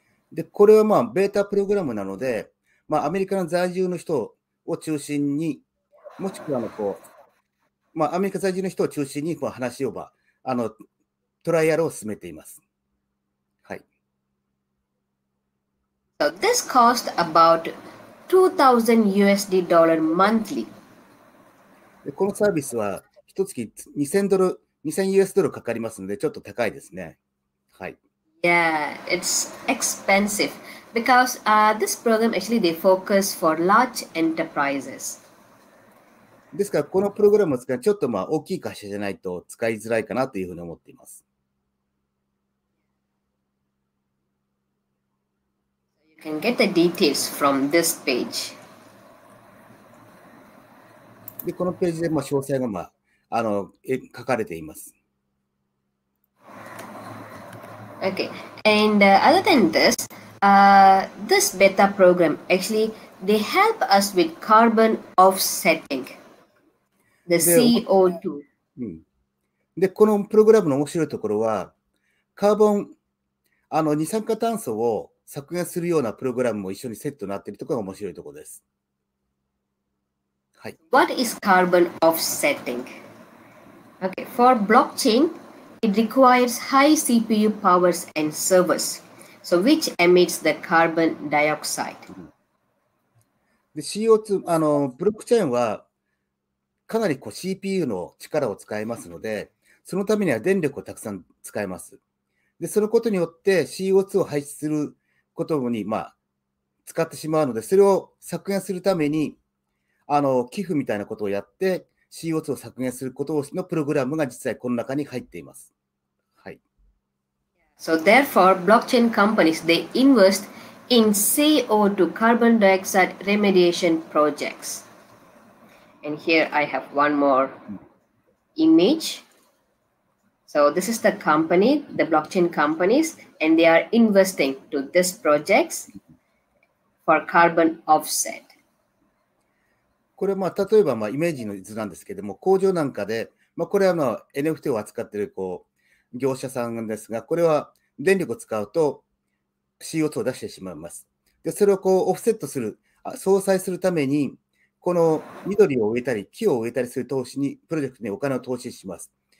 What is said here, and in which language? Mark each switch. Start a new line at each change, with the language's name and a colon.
Japanese: で、これはまあ、ベータプログラムなので、まあ、アメリカの在住の人を中心に、もしくはあのこう、まあ、アメリカ在住の人を中心に、話をば、あの、トライアルを進めています。はい。
English: So this cost about $2,000 monthly.
Japanese: でこのサービスは一月$2,000、$2,000かかりますので、ちょっと高いですね。はい。
English: Yeah, it's expensive because this program actually they focus for large enterprises.
Japanese: ですから、このプログラムを使うちょっとまあ大きい会社じゃないと使いづらいかなというふうに思っています。
English: You can get the details from this page.
Japanese: でこのページでまあ詳細が、まあ、あの書かれています。
English: Okay. And other than this, this beta program, actually, they help us with carbon offsetting, the CO2.
Japanese: で、このプログラムの面白いところは、カーボン、あの二酸化炭素を削減するようなプログラムも一緒にセットになっているところが面白いところです。はい、
English: What is carbon offsetting? Okay, for blockchain, it requires high CPU powers and servers, so which emits the carbon dioxide. で、CO2、あの、ブロックチェーンはかなりこう CPU の力を使いますので、そのためには電力をたくさん使います。で、そのことによって CO2 を排出することに、まあ、使ってしまうので、それを削減するために、あの寄付みたいなことをやって CO2 を削減することのプログラムが実際この中に入っています。はい。 So therefore, blockchain companies they invest in CO2 carbon dioxide remediation projects. And here I have one more image. So this is the company, the blockchain companies, and they are investing to this projects for carbon offset.
Japanese: これはまあ例えばまあイメージの図なんですけれども、工場なんかで、まあ、これはまあ NFT を扱っているこう業者さんですが、これは電力を使うと CO2 を出してしまいます。でそれをこうオフセットする、相殺するために、この緑を植えたり、木を植えたりする投資に、プロジェクトにお金を投資します。